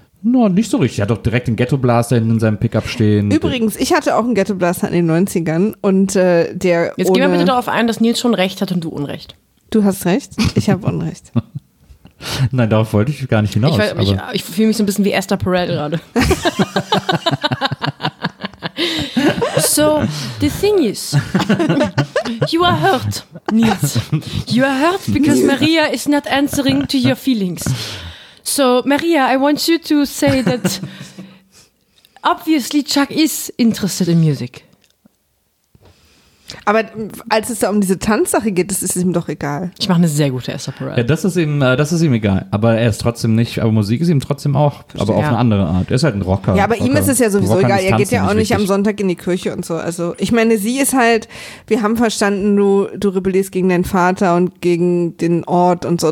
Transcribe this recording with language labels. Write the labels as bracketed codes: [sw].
[de] No, nicht so richtig. Er hat doch direkt den Ghetto Blaster in seinem Pickup stehen. Übrigens, ich hatte auch einen Ghetto Blaster in den 90ern und der. Jetzt gehen wir bitte darauf ein, dass Nils schon recht hat und du Unrecht. Du hast recht, ich habe Unrecht. Nein, darauf wollte ich gar nicht hinaus. Ich fühle mich so ein bisschen wie Esther Perel gerade. [en] So, the thing is, you are hurt, Nils. You are hurt because Maria is not answering to your feelings. So, Maria, I want you to say that obviously Chuck is interested in music. [de] Aber als es da um diese Tanzsache geht, das ist ihm doch egal. Ich mache eine sehr gute Esther Perel. Ja, das ist ihm egal. Aber er ist trotzdem nicht, aber Musik ist ihm trotzdem auch, aber auf eine andere Art. Er ist halt ein Rocker. Ja, aber ihm ist es ja sowieso egal. Er geht ja auch nicht am Sonntag in die Kirche und so. Also ich meine, sie ist halt, wir haben verstanden, du rebellierst gegen deinen Vater und gegen den Ort und so.